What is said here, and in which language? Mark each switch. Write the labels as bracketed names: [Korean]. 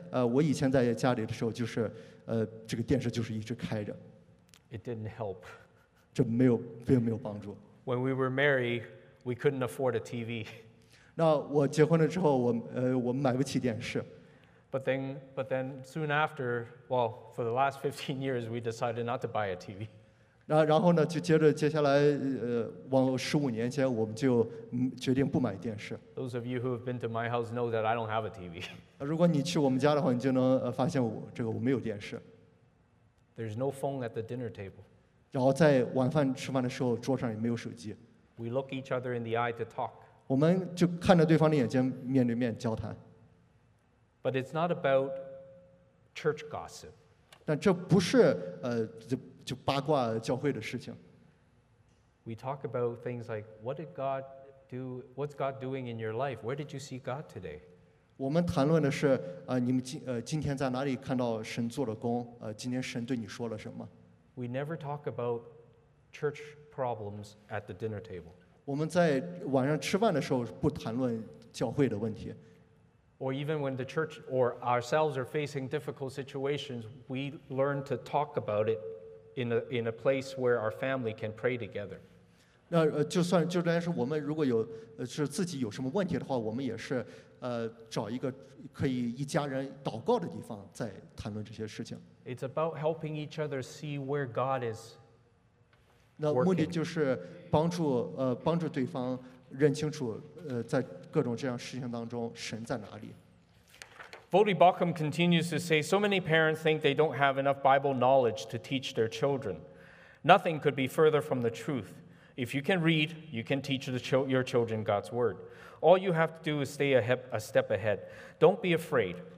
[Chinese] 我以前在家里的时候就是这个电视就是一直开着。 [English] It didn't help. [Chinese] 这没有并没有帮助。 [English] When we were married, we couldn't afford a TV. [Chinese] 那我结婚了之后，我买不起电视。 [English] But then soon after, well, for the last 15 years, we decided not to buy a TV. [Chinese] 那然后呢，就接下来往十五年间，我们就决定不买电视。 [English] Those of you who have been to my house know that I don't have a TV. [Chinese] 如果你去我们家的话，你就能发现我没有电视。 [English] There's no phone at the dinner table. [Chinese] 然后在晚饭吃饭的时候，桌上也没有手机。 [English] We look each other in the eye to talk. [Chinese] 我们就看着对方的眼睛，面对面交谈。 [English] But it's not about church gossip. [Chinese] 但这不是就八卦教会的事情。 [English] We talk about things like what did God do? What's God doing in your life? Where did you see God today? [Chinese] 我们谈论的是你们今天在哪里看到神做了工？今天神对你说了什么 [English] ？We never talk about church problems at the dinner table. [Chinese] 我们在晚上吃饭的时候不谈论教会的问题。 [English] Or even when the church or ourselves are facing difficult situations, we learn to talk about it in a place where our family can pray together. [Chinese] 那就算是我们如果有是自己有什么问题的话，我们也是找一个可以一家人祷告的地方再谈论这些事情。 [English] It's about helping each other see where God is. [Chinese] 那目的就是帮助对方认清楚在各种这样事情当中神在哪里。 [English] Vody Bauckham continues to say, so many parents think they don't have enough Bible knowledge to teach their children. Nothing could be further from the truth. If you can read, you can teach your children God's word. All you have to do is stay a step ahead. Don't be afraid.